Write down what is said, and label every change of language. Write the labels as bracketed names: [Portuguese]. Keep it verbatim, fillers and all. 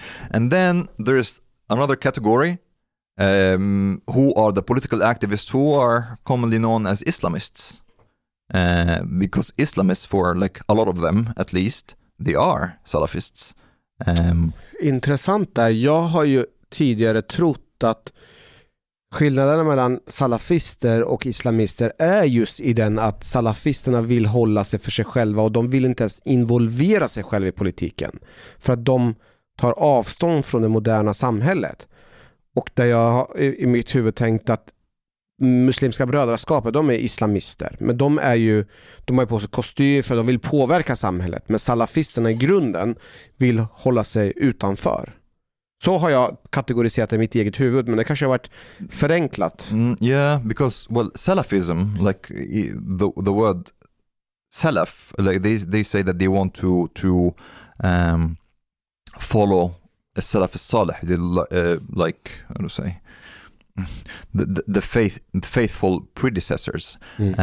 [English] And then there's another category Um, who are the political activists who are commonly known as Islamists, uh, because Islamists, for like a lot of them at least, they are Salafists. Um, [Swedish] Intressant där. Jag har ju tidigare trott att skillnaden mellan salafister och islamister är just i den att salafisterna vill hålla sig för sig själva och de vill inte ens involvera sig själva i politiken för att de tar avstånd från det moderna samhället. Och där jag i mitt huvud tänkt att muslimska brödraskapet, de är islamister. Men de är ju, de har ju på sig kostym för de vill påverka samhället. Men salafisterna i grunden vill hålla sig utanför. Så har jag kategoriserat det i mitt eget huvud, men det kanske har varit förenklat. [English] Mm, yeah, because well, salafism, like the, the word salaf, like they, they say that they want to, to um, follow Salaf al-Salih, uh, like how do you say, the, the the faith, the faithful predecessors, mm.